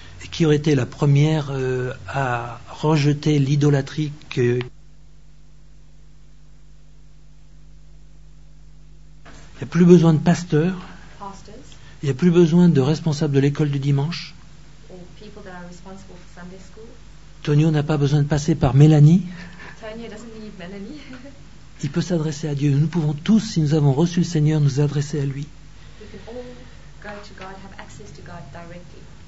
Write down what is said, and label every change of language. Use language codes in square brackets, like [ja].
[fr] Et qui aurait été la première à rejeter l'idolâtrie que. Il n'y a plus besoin de pasteurs. Il n'y a plus besoin de responsables de l'école du dimanche. [en] Or people that are responsible for Sunday school. [fr] Tonio n'a pas besoin de passer par Mélanie. [en] Tonio doesn't need Melanie. [fr] Il peut s'adresser à Dieu. Nous pouvons tous, si nous avons reçu le Seigneur, nous adresser à lui. [en] We can all go to God, have access to God directly.